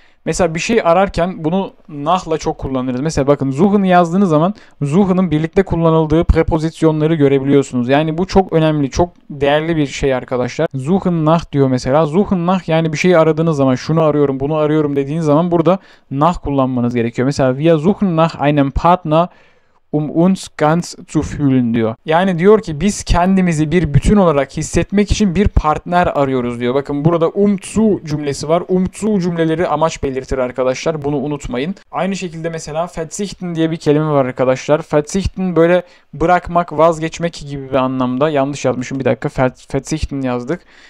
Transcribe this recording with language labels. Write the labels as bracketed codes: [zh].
[tr] Mesela bir şey ararken bunu nach'la çok kullanırız. Mesela bakın Suchen'ı yazdığınız zaman Suchen'ın birlikte kullanıldığı prepozisyonları görebiliyorsunuz. Yani bu çok önemli, çok değerli bir şey arkadaşlar. Suchen nach diyor mesela. Suchen nach, yani bir şey aradığınız zaman, şunu arıyorum, bunu arıyorum dediğiniz zaman burada nach kullanmanız gerekiyor. Mesela [de] wir suchen nach einem Partner uns ganz zu fühlen [tr] diyor. Yani diyor ki biz kendimizi bir bütün olarak hissetmek için bir partner arıyoruz diyor. Bakın burada zu cümlesi var. Zu cümleleri amaç belirtir arkadaşlar. Bunu unutmayın. Aynı şekilde mesela verzichten diye bir kelime var arkadaşlar. Verzichten böyle bırakmak, vazgeçmek gibi bir anlamda. Yanlış yazmışım, bir dakika. Verzichten yazdık.